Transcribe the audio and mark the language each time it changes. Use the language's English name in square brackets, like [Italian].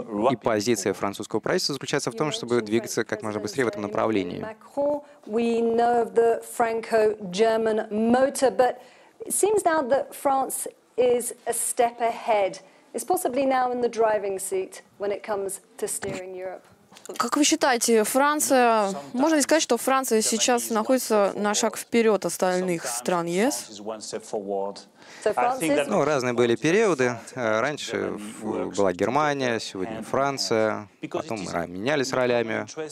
[Russian] И позиция французского правительства заключается в том, чтобы двигаться как можно быстрее в этом направлении. [English] We know of the Franco-German motor, but it seems now that France is a step ahead. It's possibly now in the driving seat when it comes to steering Europe. [Russian] Как вы считаете, Франция, можно ли сказать, что Франция сейчас находится на шаг вперед остальных стран ЕС? Ну, разные были периоды. Раньше была Германия, сегодня Франция, потом мы менялись ролями.